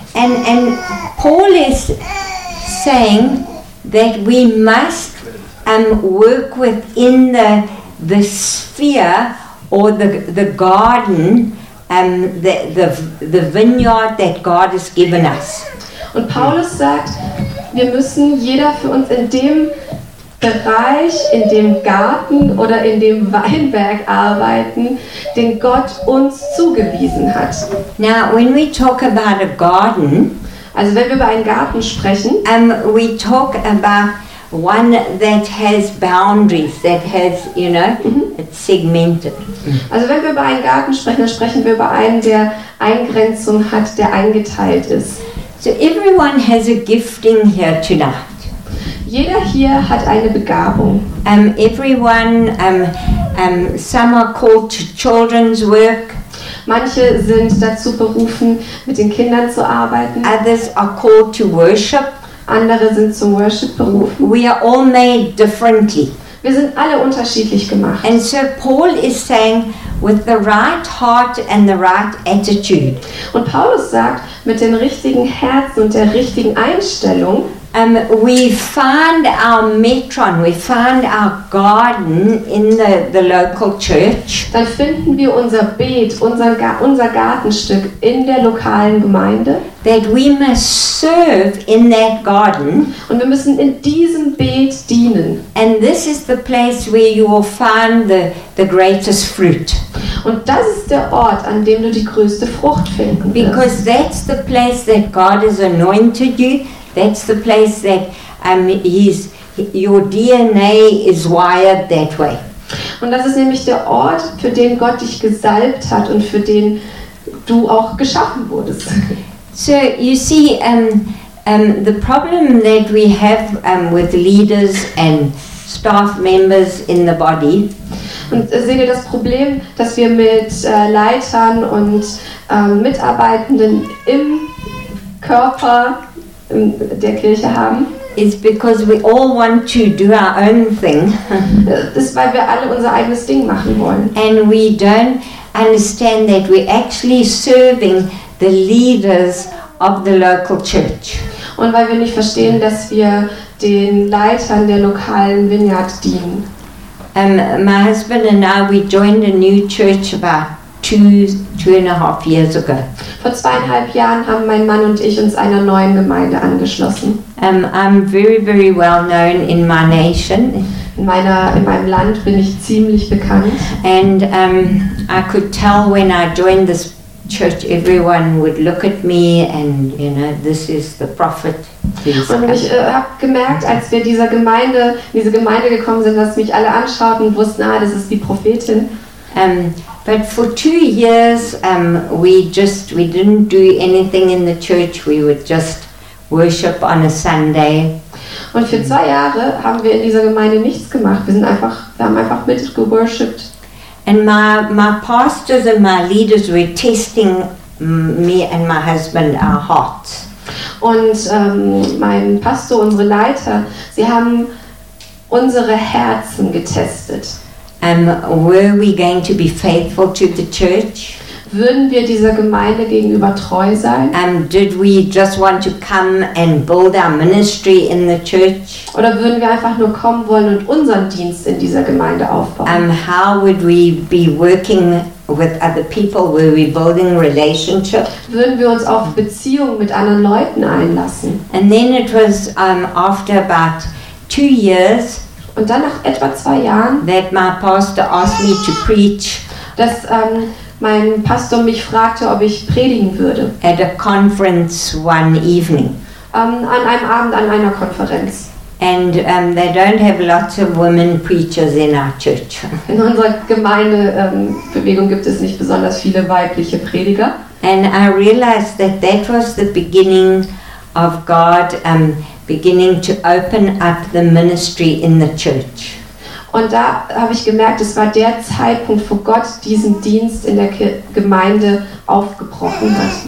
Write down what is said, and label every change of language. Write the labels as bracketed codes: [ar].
[en] And Paul is saying that we must work within the sphere or the garden, the vineyard that God has given us. [de] Und Paulus sagt, wir müssen jeder für uns in dem Bereich, in dem Garten oder in dem Weinberg arbeiten, den Gott uns zugewiesen hat. [en] Now, when we talk about a garden, [de] also wenn wir über einen Garten sprechen, [en] we talk about one that has boundaries, that has, you know, it's segmented. [de] Also wenn wir über einen Garten sprechen, dann sprechen wir über einen, der Eingrenzung hat, der eingeteilt ist. [en] So everyone has a gifting here tonight. [de] Jeder hier hat eine Begabung. [en] Some are called to children's work. [de] Manche sind dazu berufen, mit den Kindern zu arbeiten. [en] Others are called to worship. [de] Andere sind zum Worship berufen. [en] We are all made differently. [de] Wir sind alle unterschiedlich gemacht. [en] And so Paul is saying, with the right heart and the right attitude. [de] Und Paulus sagt, mit dem richtigen Herzen und der richtigen Einstellung. [en] We find our metron, we find our garden in the local church. [de] Dann finden wir unser Beet, unser Gartenstück in der lokalen Gemeinde. [en] That we must serve in that garden. [de] Und wir müssen in diesem Beet dienen. [en] And this is the place where you will find the greatest fruit. [de] Und das ist der Ort, an dem du die größte Frucht finden wirst. [en] Because that's the place that God has anointed you. That's the place that your DNA is wired that way. [de] Und das ist nämlich der Ort, für den Gott dich gesalbt hat und für den du auch geschaffen wurdest. [en] So you see, the problem that we have with leaders and staff members in the body. [de] Und seht ihr das Problem, dass wir mit Leitern und Mitarbeitenden im Körper der Kirche haben. [en] It's because we all want to do our own thing. [de] Das ist, weil wir alle unser eigenes Ding machen wollen. [en] And we don't understand that we're actually serving the leaders of the local church. [de] Und weil wir nicht verstehen, dass wir den Leitern der lokalen Vineyard dienen. [en] My husband and I, we joined a new church about two and a half years ago. [de] Vor 2,5 Jahren haben mein Mann und ich uns einer neuen Gemeinde angeschlossen. [en] I'm very, very well known in my nation. [de] In meinem Land bin ich ziemlich bekannt. [en] And I could tell when I joined this church, everyone would look at me and, you know, this is the prophet. [de] Und ich habe gemerkt, als wir in diese Gemeinde gekommen sind, dass mich alle anschauten und wussten, ah, das ist die Prophetin. [en] But for 2 years we didn't do anything in the church. We would just worship on a Sunday. [de] Und für 2 Jahre haben wir in dieser Gemeinde nichts gemacht. Wir haben einfach mitgeworshipped. [en] And my pastors and my leaders were testing me and my husband our hearts. [de] Und mein Pastor, unsere Leiter, sie haben unsere Herzen getestet. [en] Were we going to be faithful to the church? [de] Würden wir dieser Gemeinde gegenüber treu sein? [en] Did we just want to come and build our ministry in the church? [de] Oder würden wir einfach nur kommen wollen und unseren Dienst in dieser Gemeinde aufbauen? [en] How would we be working with other people? Were we building relationships? [de] Würden wir uns auf Beziehungen mit anderen Leuten einlassen? [en] And then it was after about 2 years. [de] Und dann nach etwa 2 Jahren. [en] That my pastor asked me to preach. [de] Dass mein Pastor mich fragte, ob ich predigen würde. [en] At a conference one evening. [de] An einem Abend an einer Konferenz. [en] And they don't have lots of women preachers in our church. [de] In unserer Gemeindebewegung gibt es nicht besonders viele weibliche Prediger. [en] And I realized that was the beginning of God beginning to open up the ministry in the church. [de] Und da habe ich gemerkt, es war der Zeitpunkt, wo Gott diesen Dienst in der Gemeinde aufgebrochen hat.